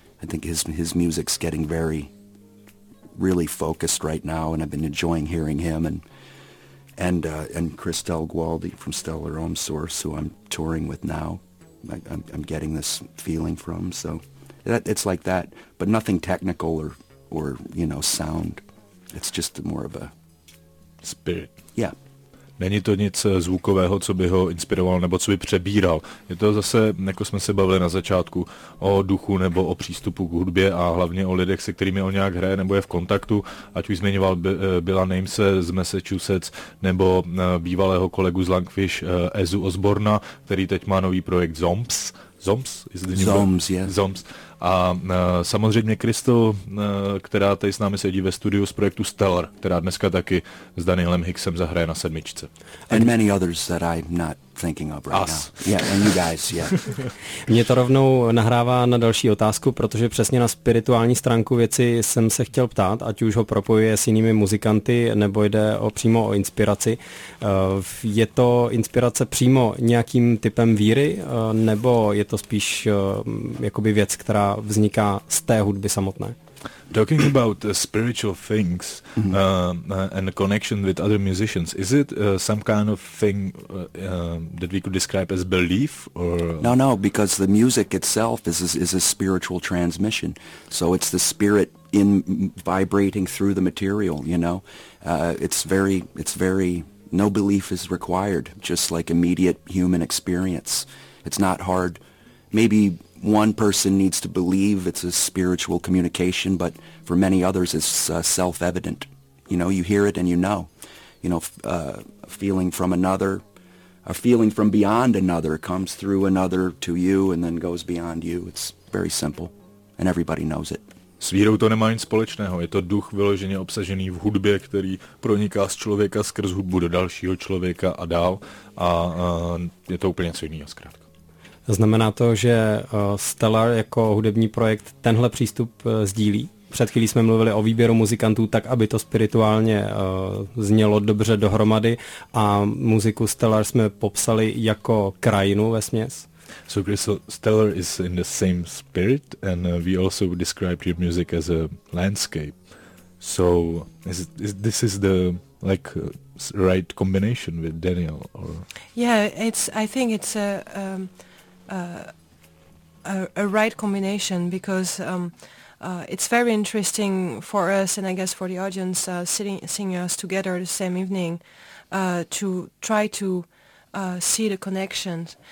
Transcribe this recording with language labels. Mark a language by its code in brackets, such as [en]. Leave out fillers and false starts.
[en] I think his music's getting very, really focused right now, and I've been enjoying hearing him. And Christelle Gualdi from Stellar Ohm Source, who I'm touring with now. I'm getting this feeling from. So it's like that, but nothing technical or you know, sound. It's just more of a... spirit. Yeah. [cs] Není to nic zvukového, co by ho inspiroval nebo co by přebíral. Je to zase, jako jsme se bavili na začátku, o duchu nebo o přístupu k hudbě a hlavně o lidech, se kterými on nějak hraje nebo je v kontaktu, ať už zmiňoval Billa Namese z Massachusetts nebo bývalého kolegu z Lungfish Ezu Osborna, který teď má nový projekt Zomps. Zomps? [en] Zomps, yeah. Zomps. [cs] A samozřejmě Crystal, která tady s námi sedí ve studiu z projektu Stellar, která dneska taky s Danielem Hicksem zahraje na sedmičce. [en] And many others that I'm not thinking of right us. Now. Yeah, and you guys, yeah. [cs] Mě to rovnou nahrává na další otázku, protože přesně na spirituální stránku věci jsem se chtěl ptát, ať už ho propojuje s jinými muzikanty, nebo jde o přímo o inspiraci. Je to inspirace přímo nějakým typem víry, nebo je to spíš jakoby věc, která vzniká z té hudby samotné? [en] Talking about spiritual things and connection with other musicians, is it some kind of thing that we could describe as belief? Or No, because the music itself is a spiritual transmission. So it's the spirit in vibrating through the material, you know. It's very, no belief is required, just like immediate human experience. It's not hard. Maybe one person needs to believe it's a spiritual communication, but for many others, it's self-evident. You know, you hear it and you know. You know, a feeling from another, a feeling from beyond another comes through another to you and then goes beyond you. It's very simple, and everybody knows it. [cs] S vírou to nemá nic společného. Je to duch vyloženě obsažený v hudbě, který proniká z člověka skrz hudbu do dalšího člověka a dál. A je to úplně co jiného zkrátka. Znamená to, že Stellar jako hudební projekt tenhle přístup sdílí? Před chvílí jsme mluvili o výběru muzikantů tak, aby to spirituálně znělo dobře dohromady, a muziku Stellar jsme popsali jako krajinu vesměs. [en] So Crystal, Stellar is in the same spirit and we also described your music as a landscape. So this is the like right combination with Daniel or... Yeah, I think it's a right combination, because it's very interesting for us, and I guess for the audience, seeing us together the same evening, to try to see the connections.